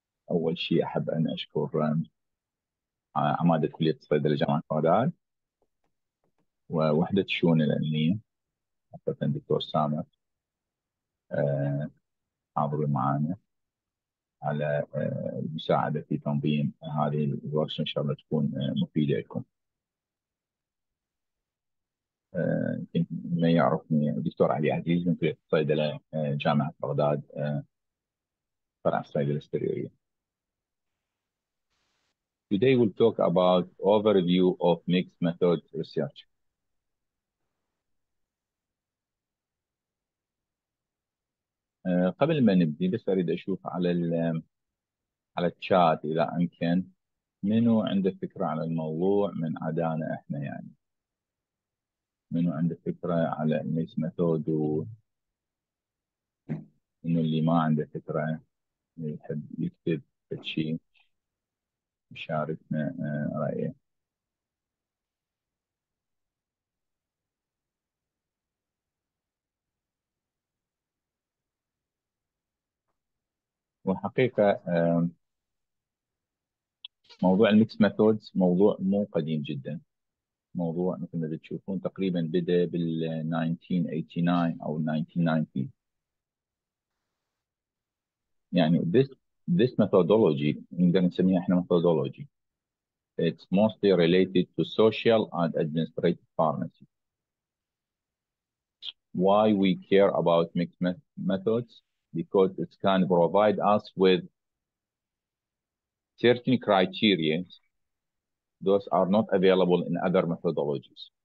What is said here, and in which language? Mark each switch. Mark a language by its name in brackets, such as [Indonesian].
[Arabic] أول شيء أحب أن أشكر عمادة كلية الصيدلة جامعة بغداد ووحدة الشؤون العلمية خاصة دكتور سامر حاضر معنا على المساعدة في تنظيم هذه الورشة، إن شاء الله تكون مفيدة لكم. يمكن من يعرفني الدكتور علي عزيز من كلية الصيدلة جامعة بغداد فرع الصيدلة السريرية. [English] Today we'll talk about overview of mixed method research. [Arabic] قبل ما نبدي بس أريد أشوف على الشات إذا أمكن منو عنده فكرة على الموضوع من عدانا إحنا، يعني منو عنده فكرة على الميس ميثود، منو اللي ما عنده فكرة يحب يكتب شيء يشاركنا رأيه. وحقيقة موضوع الميكس ميثودز موضوع مو قديم جدا، موضوع مثل ما تشوفون تقريبا بدأ بال 1989 أو 1990. [English] يعني this methodology [Arabic] نقدر نسميها احنا [English] methodology، it's mostly related to social and administrative pharmacy. Why we care about mixed methods? Because it can provide us with certain criteria, those are not available in other methodologies.